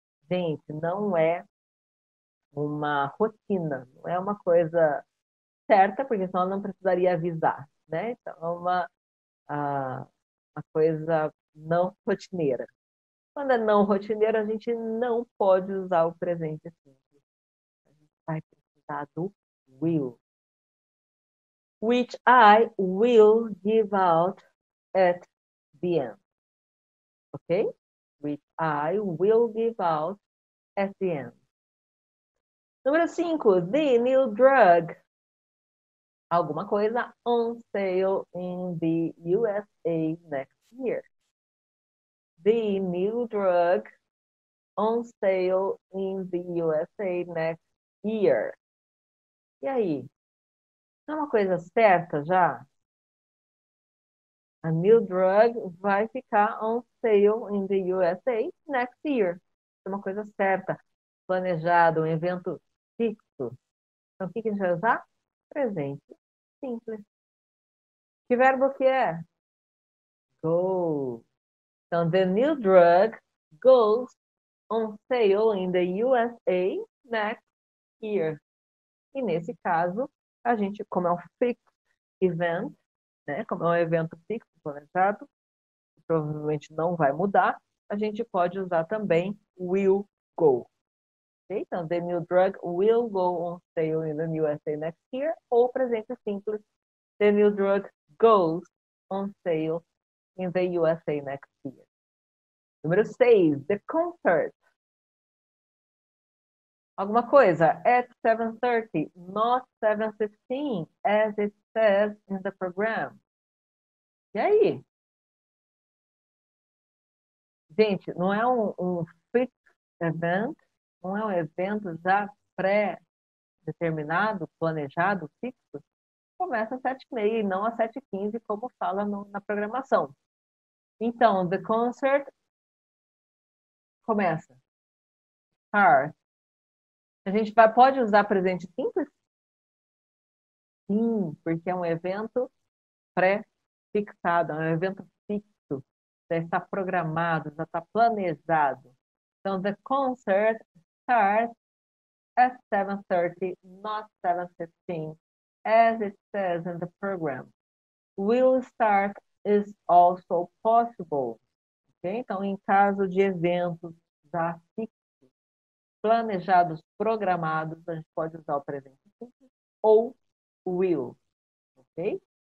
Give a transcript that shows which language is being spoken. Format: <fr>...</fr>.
<pt>Gente, não é uma rotina, não é uma coisa certa, porque senão não precisaria avisar, né? Então, é uma coisa não rotineira. Quando é não rotineira, a gente não pode usar o presente simples. A gente vai precisar do will.</pt> <en>Which I will give out at the end. Ok? Which I will give out at the end.</en> <pt>Número 5.</pt> <en>The new drug.</en> <pt>Alguma coisa</pt> <en>on sale in the USA next year. The new drug on sale in the USA next year.</en> <pt>E aí? É uma coisa certa já?</pt> <en>A new drug</en> <pt>vai ficar</pt> <en>on sale in the USA next year.</en> <pt>É uma coisa certa. Planejado, um evento fixo. Então, o que a gente vai usar? Presente simples. Que verbo que é? Go.</pt> <en>Então, the new drug goes on sale in the USA next year.</en> <pt>E nesse caso, a gente, como é um fixed event, né? Como é um evento fixo, planejado, que provavelmente não vai mudar, a gente pode usar também will go.</pt> <en>Okay? Então, the new drug will go on sale in the USA next year,</en> <pt>ou presente simples,</pt> <en>the new drug goes on sale in the USA next year.</en> <pt>Número 6,</pt> <en>the concert.</en> <pt>Alguma coisa.</pt> <en>At 7:30, not 7:15, as it says in the program.</en> <pt>E aí? Gente, não é um fixed event, não é um evento já pré-determinado, planejado, fixo. Começa às 7:30 e não às 7:15, como fala no, na programação.</pt> <en>Então, the concert</en> <pt>começa.</pt> <en>Start.</en> <pt>A gente vai, pode usar presente simples? Sim, porque é um evento pré-fixado, é um evento fixo, já está programado, já está planejado.</pt> <en>Então, the concert starts at 7:30, not 7:15, as it says in the program. Will start is also possible. Okay?</en> <pt>Então, em caso de eventos já fixos, planejados, programados, a gente pode usar o presente simples ou will, ok?</pt>